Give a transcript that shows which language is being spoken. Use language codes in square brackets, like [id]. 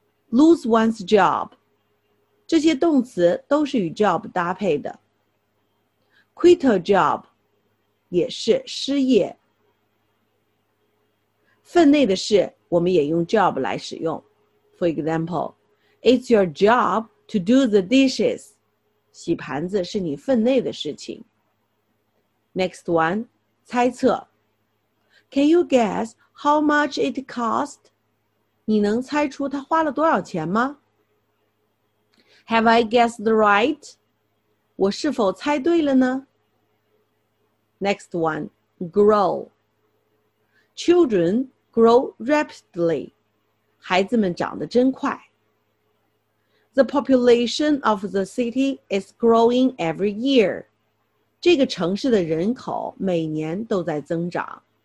[en] Lose one's job. [zh] 这些动词都是与 job 搭配的。 [en] Quit a job. [zh] 也是失业。分内的事我们也用 job 来使用。 [en] For example, it's your job to do the dishes. [zh] 洗盘子是你分内的事情。 [en] Next one, [zh] 猜测。 [en] Can you guess... How much it cost? [zh] 你能猜出它花了多少钱吗? [en] Have I guessed right? [zh] 我是否猜对了呢? [en] Next one, grow. Children grow rapidly. [zh] 孩子们长得真快。 [en] The population of the city is growing every year. [zh] 这个城市的人口每年都在增长。